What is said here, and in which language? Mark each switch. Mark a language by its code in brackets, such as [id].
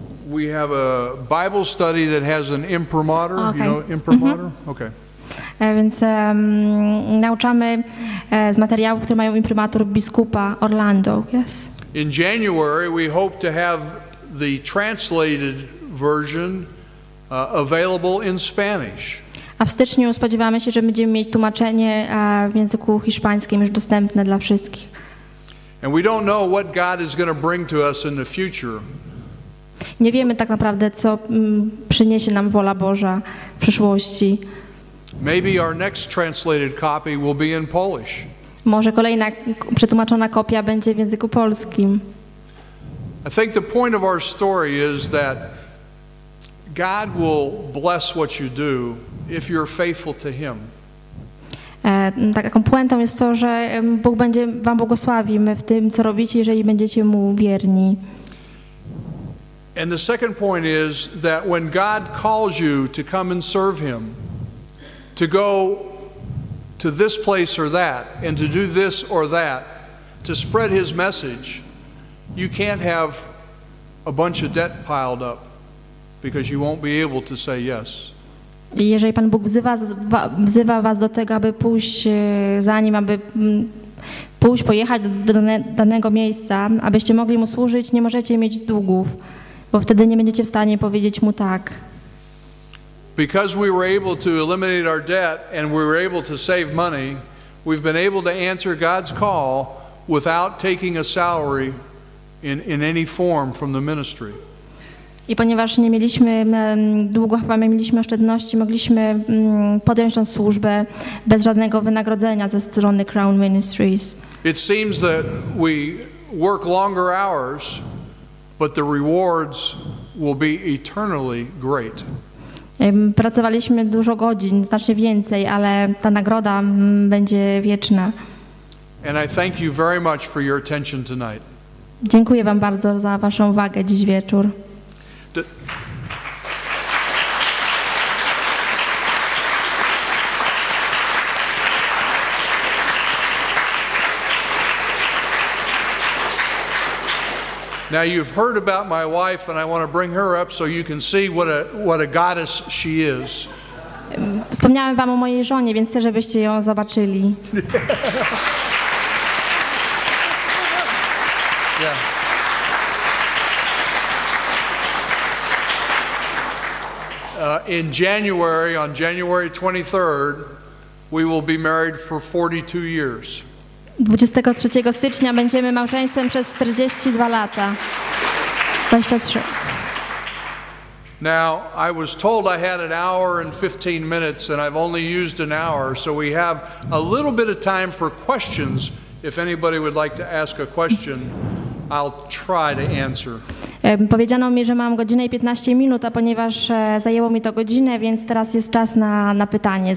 [en] We have a Bible study that has an imprimatur. Okay. You know imprimatur? Mm-hmm. Okay. [pl] Więc nauczamy z materiałów, które mają imprimatur biskupa Orlando, [en] yes? In January, we hope to have the translated version available in Spanish. [pl] A w styczniu spodziewamy się, że będziemy mieć tłumaczenie w języku hiszpańskim już dostępne dla wszystkich. [en] And we don't know what God is going to bring to us in the future. [pl] Nie wiemy tak naprawdę, co przyniesie nam wola Boża w przyszłości. [en] Maybe our next translated copy will be in Polish. [pl] Może kolejna przetłumaczona kopia będzie w języku polskim. [en] I think the point of our story is that God will bless what you do if you're faithful to Him. [pl] Taką puentą jest to, że Bóg będzie wam błogosławił w tym, co robicie, jeżeli będziecie Mu wierni. [en] And the second point is that when God calls you to come and serve Him, to go to this place or that, and to do this or that, to spread His message, you can't have a bunch of debt piled up, because you won't be able to say yes. [pl] Jeżeli Pan Bóg wzywa was do tego, aby pójść za Nim, aby pójść, pojechać do danego miejsca, abyście mogli Mu służyć, nie możecie mieć długów, bo wtedy nie będziecie w stanie powiedzieć Mu tak. [en] Because we were able to eliminate our debt and we were able to save money, we've been able to answer God's call without taking a salary in any form from the ministry. [pl] I ponieważ nie mieliśmy długo, chyba mieliśmy oszczędności, mogliśmy podjąć tę służbę bez żadnego wynagrodzenia ze strony Crown Ministries. [en] It seems that we work longer hours, but the rewards will be eternally great. [pl] Pracowaliśmy dużo godzin, znacznie więcej, ale ta nagroda będzie wieczna. [en] And I thank you very much for your attention tonight. [pl] Dziękuję wam bardzo za waszą uwagę dziś wieczór. [en] Now you've heard about my wife, and I want to bring her up so you can see what a goddess she is. [pl] Wspomniałem wam o mojej żonie, więc chcę, żebyście ją zobaczyli. [en] Yeah. In January, on January 23rd, we will be married for 42 years. [pl] 23 stycznia będziemy małżeństwem przez 42 lata. 23. [en] Now, I was told I had an hour and 15 minutes, and I've only used an hour, so we have a little bit of time for questions. If anybody would like to ask a question, I'll try to answer. [pl] Powiedziano mi, że mam godzinę i 15 minut, a ponieważ zajęło mi to godzinę, więc teraz jest czas na pytanie.